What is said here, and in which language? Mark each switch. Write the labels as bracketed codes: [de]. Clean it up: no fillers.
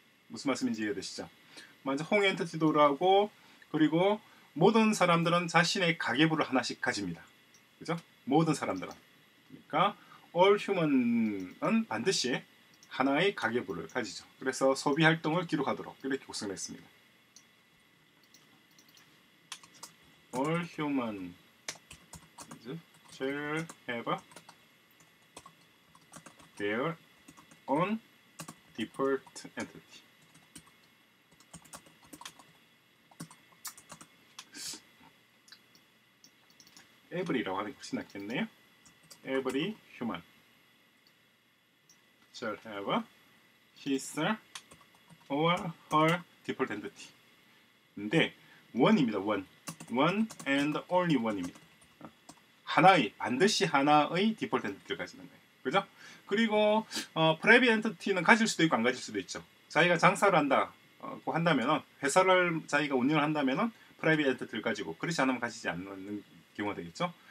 [ko] 무슨 말씀인지 이해되시죠? 먼저 홍 엔티티도라고 그리고 모든 사람들은 자신의 가계부를 하나씩 가집니다. 그죠? 모든 사람들은. 그러니까 All Human은 반드시 하나의 가계부를 가지죠. 그래서 소비 활동을 기록하도록 이렇게 구성을 했습니다. [en] All Human shall have their own default entity. [ko] 에브리라고 하는 것이 낫겠네요. [en] Every human shall have his or her default entity. [ko] 근데 one입니다. [en] One and only one [ko] 입니다. 하나의 반드시 하나의 default entity를 가지는 거예요. 그죠? 그리고 private entity는 가질 수도 있고 안 가질 수도 있죠. 자기가 장사를 한다고 한다면은 회사를 자기가 운영을 한다면은 private entity를 가지고 그렇지 않으면 가지지 않는 경우가 되겠죠.